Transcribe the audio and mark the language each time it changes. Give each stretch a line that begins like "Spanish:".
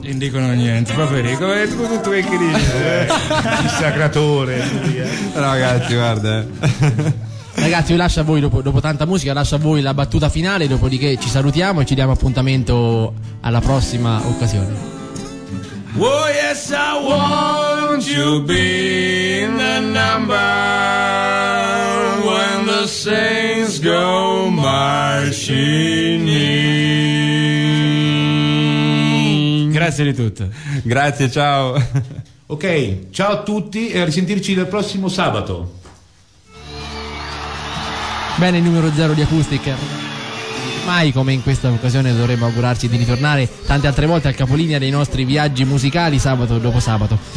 Italian: e dicono niente. Proprio è tutto quel che dice il sacratore. Ragazzi, guarda. Ragazzi, io lascio a voi dopo tanta musica, lascio a voi la battuta finale, dopodiché ci salutiamo e ci diamo appuntamento alla prossima occasione.
English: Oh yes, I want you be in the number when the saints go marching in.
Italian: Grazie di tutto. Grazie, ciao. Ok, ciao a tutti e a risentirci il prossimo sabato. Bene, il numero zero di Acoustic. Mai come in questa occasione dovremmo augurarci di ritornare tante altre volte al capolinea dei nostri viaggi musicali sabato dopo sabato.